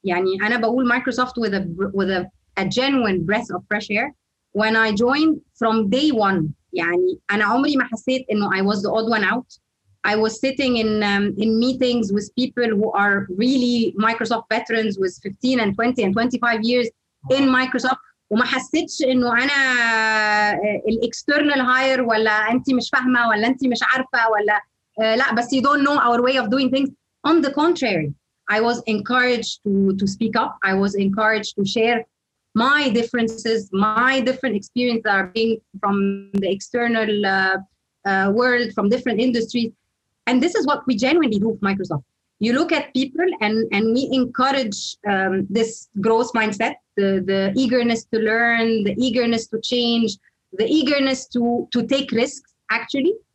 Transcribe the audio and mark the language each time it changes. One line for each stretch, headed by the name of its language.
Arabic: يعني أنا بقول
English: Microsoft with a genuine breath of fresh air. When I joined from day one,
Arabic: يعني أنا عمري ما حسيت إنه
English: I was the odd one out. I was sitting in meetings with people who are really Microsoft veterans with 15 and 20 and 25 years in Microsoft.
Arabic: وما حسيتش إنه أنا ال external hire ولا أنت مش فاهمة ولا أنت مش عارفة ولا لا, بس
English: you don't know our way of doing things. On the contrary, I was encouraged to speak up. I was encouraged to share my differences, my different experiences are being from the external world, from different industries. And this is what we genuinely do with Microsoft. You look at people and we encourage this growth mindset, the eagerness to learn, the eagerness to change, the eagerness to take risks, actually.